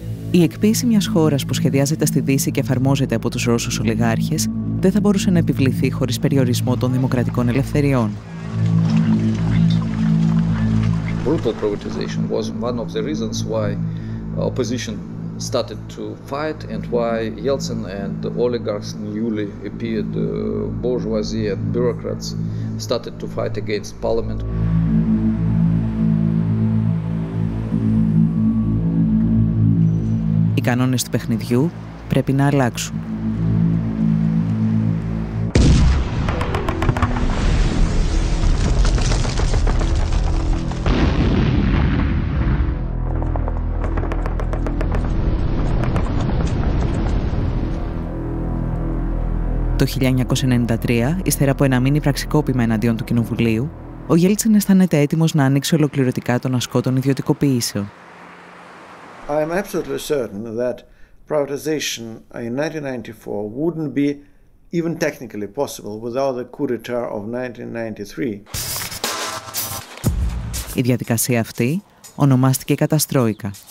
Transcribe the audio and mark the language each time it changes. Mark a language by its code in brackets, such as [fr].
[el] Η εκποίηση μιας χώρας που σχεδιάζεται στη Δύση και εφαρμόζεται από τους Ρώσους ολιγάρχες δεν θα μπορούσε να επιβληθεί χωρίς περιορισμό των δημοκρατικών ελευθεριών. [en] Brutal privatization was one of the reasons why opposition started to fight and why Yeltsin and the oligarchs, newly appeared bourgeoisie and bureaucrats, started to fight against parliament. [el] Οι κανόνες του παιχνιδιού πρέπει να αλλάξουν. Το 1993, ύστερα από ένα μήνυμα πραξικόπημα εναντίον του κοινοβουλίου, ο Γέλτσιν αισθάνεται έτοιμος να ανοίξει ολοκληρωτικά τον ασκό των ιδιωτικοποιήσεων. [en] I am absolutely certain that privatization in 1994 wouldn't be even technically possible without the coup d'état of 1993. [el] Η διαδικασία αυτή ονομάστηκε καταστρόικα.